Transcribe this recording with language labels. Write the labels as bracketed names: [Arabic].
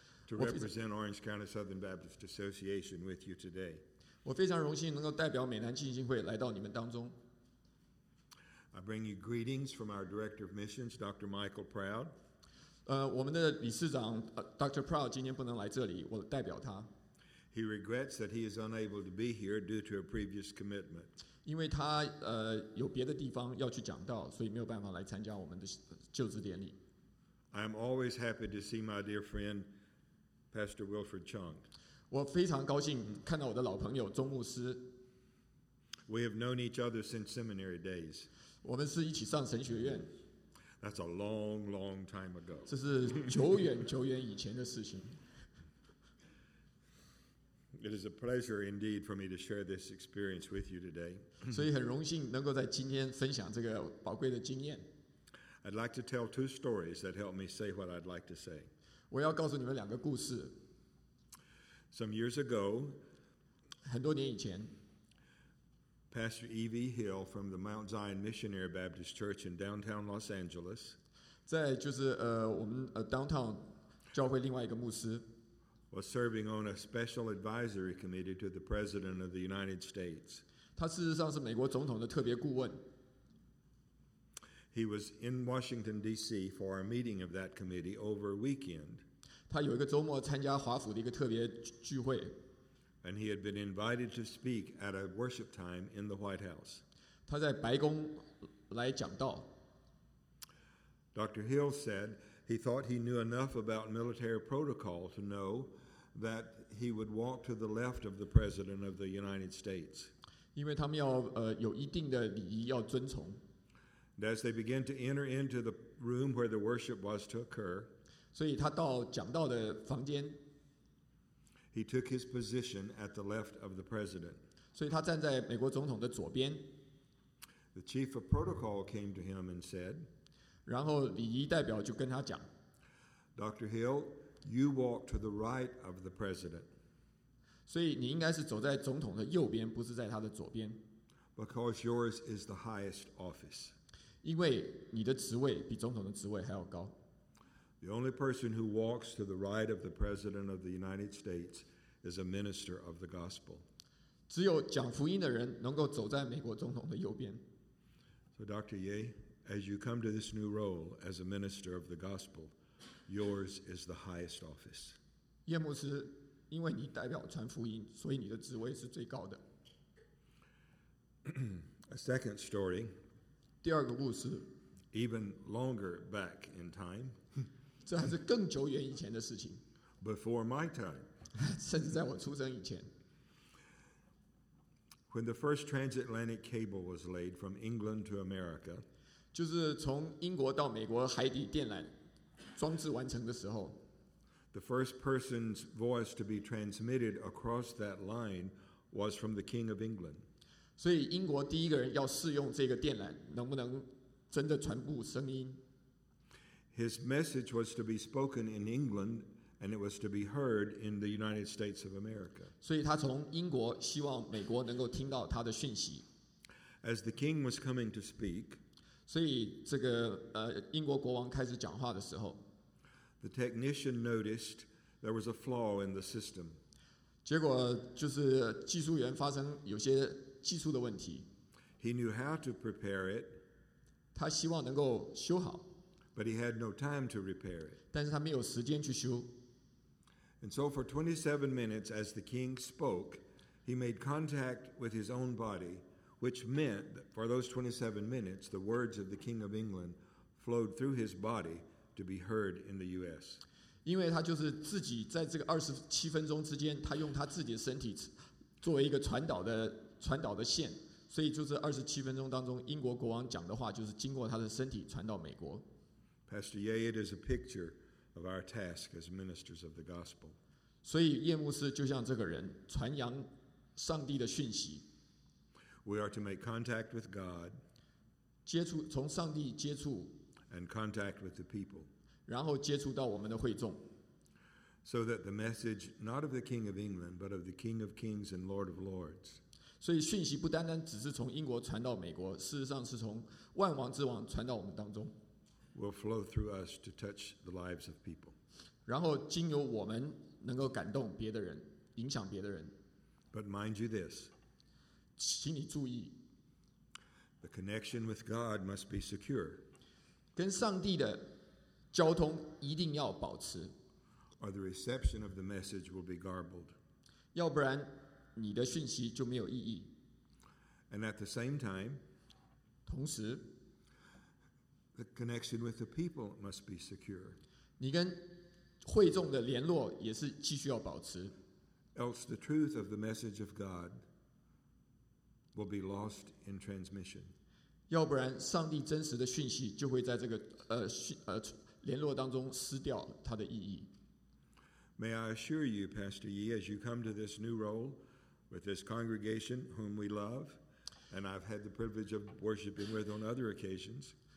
[English] To represent Orange County Southern Baptist Association with you today. [Chinese] 我非常荣幸能够代表美南浸信会来到你们当中。 [English] I bring you greetings from our Director of Missions, Dr. Michael Proud. [Chinese] 我们的理事长 Dr. Proud 今天不能来这里，我代表他。 [English] He regrets that he is unable to be here due to a previous commitment. [Chinese] 因为他有别的地方要去讲道，所以没有办法来参加我们的就职典礼。 [English] I am always happy to see my dear friend. Pastor Wilfred Chung. [Chinese] 我非常高兴看到我的老朋友钟牧师。 [English] We have known each other since seminary days. [Chinese] 我们是一起上神学院。 [English] That's a long, long time ago. [Chinese] 这是久远久远以前的事情。 [English] It is a pleasure indeed for me to share this experience with you today. [Chinese] 所以很荣幸能够在今天分享这个宝贵的经验。 [English] I'd like to tell two stories that help me say what I'd like to say. [Chinese] 我要告诉你们两个故事。 [English] Some years ago, [Chinese] 很多年以前 [English] Pastor E.V. Hill from the Mount Zion Missionary Baptist Church in downtown Los Angeles, [Chinese] 在就是我们downtown 教会另外一个牧师 [English] was serving on a special advisory committee to the President of the United States. [Chinese] 他事实上是美国总统的特别顾问。 [English] He was in Washington, D.C. for a meeting of that committee over a weekend. [Chinese] 他有一个周末参加华府的一个特别聚会。 [English] And he had been invited to speak at a worship time in the White House. [Chinese] 他在白宫来讲道。 [English] Dr. Hill said he thought he knew enough about military protocol to know that he would walk to the left of the President of the United States. [Chinese] 因为他们要有一定的礼仪要遵从。 [English] And as they began to enter into the room where the worship was to occur, [Chinese] 所以他到讲道的房间。 [English] He took his position at the left of the president. [Chinese] 所以他站在美国总统的左边。 [English] The chief of protocol came to him and said, [Chinese] 然后礼仪代表就跟他讲, [English] Dr. Hill, you walk to the right of the president. [Chinese] 所以你应该是走在总统的右边,不是在他的左边。 [English] Because yours is the highest office. [Chinese] 因为你的职位比总统的职位还要高。 [English] The only person who walks to the right of the President of the United States is a minister of the gospel. [Chinese] 只有讲福音的人能够走在美国总统的右边。 [English] So Dr. Ye, as you come to this new role as a minister of the gospel, yours is the highest office. [Chinese] 叶牧师，因为你代表传福音，所以你的职位是最高的。 [English] A second story. [Chinese] 第二个故事。 [English] Even longer back in time. [Chinese] 这还是更久远以前的事情。 [English] Before my time. [Chinese] 甚至在我出生以前。 [English] When the first transatlantic cable was laid from England to America. [Chinese] 就是从英国到美国海底电缆装置完成的时候。 [English] The first person's voice to be transmitted across that line was from the King of England. [Chinese] 所以英国第一个人要试用这个电缆能不能真的传播声音。 [English] His message was to be spoken in England, and it was to be heard in the United States of America. [Chinese] 所以他从英国希望美国能够听到他的讯息。 [English] As the king was coming to speak, [Chinese] 所以这个英国国王开始讲话的时候， [English] the technician noticed there was a flaw in the system. [Chinese] 结果就是技术员发生有些技术的问题。 [English] He knew how to prepare it. [Chinese] 他希望能够修好。 [English] But he had no time to repair it. [Chinese] 但是他没有时间去修。 [English] And so for 27 minutes as the king spoke, he made contact with his own body, which meant that for those 27 minutes, the words of the King of England flowed through his body to be heard in the U.S. [Chinese] 因为他就是自己在这个27分钟之间，他用他自己的身体作为一个传导的线，所以就是27分钟当中，英国国王讲的话就是经过他的身体传到美国。 [English] Pastor Ye, it is a picture of our task as ministers of the gospel. [Chinese] 所以叶牧师就像这个人传扬上帝的讯息。 [English] We are to make contact with God. [Chinese] 接触从上帝接触。 [English] And contact with the people. [Chinese] 然后接触到我们的会众。 [English] So that the message not of the King of England, but of the King of Kings and Lord of Lords. [Chinese] 所以讯息不单单只是从英国传到美国，事实上是从万王之王传到我们当中。 [English] Will flow through us to touch the lives of people. [Chinese] 然后经由我们能够感动别的人，影响别的人。 [English] But mind you this. [Chinese] 请你注意。 [English] The connection with God must be secure. [Chinese] 跟上帝的交通一定要保持。 [English] Or the reception of the message will be garbled. [Chinese] 要不然你的讯息就没有意义。 [English] And at the same time. [Chinese] 同时。 [English] The connection with the people must be secure. [Chinese] 你跟会众的联络也是继续要保持。 [English] Else the truth of the message of God will be lost in transmission. [Chinese] 要不然上帝真实的讯息就会在这个联络当中失掉它的意义。 [English] May I assure you, Pastor Yi, as you come to this new role with this congregation whom we love, and I've had the privilege of worshiping with on other occasions,